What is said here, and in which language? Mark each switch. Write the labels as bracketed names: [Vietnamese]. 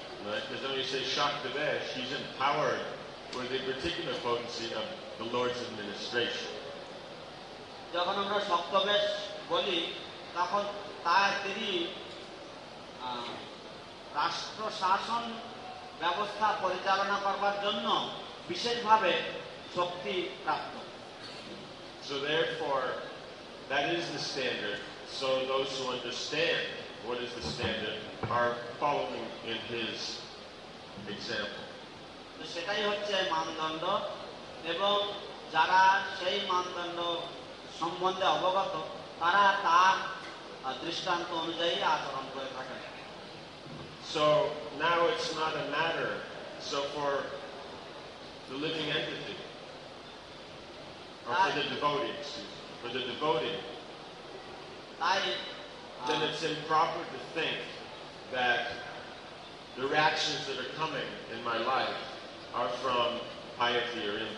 [English] Because when you say Shaktivesh, he's empowered with the particular potency of the Lord's administration. [Bangla] যখন আমরা শক্তবেশ বলি তখন তার তিনি রাষ্ট্র শাসন ব্যবস্থা পরিচালনা করবার জন্য বিশেষভাবে শক্তি প্রাপ্ত। [English] So therefore, that is the standard. So those who understand what is the standard are following in his example. [Bangla] তো সেটাই হচ্ছে মানদণ্ড এবং যারা সেই মানদণ্ড সম্বন্ধে অবগত তারা তার দৃষ্টান্ত অনুযায়ী আচরণ করে থাকে। [English] So now it's not a matter, so for the living entity, or for the devotee, then it's improper to think that the reactions that are coming in my life are from piety or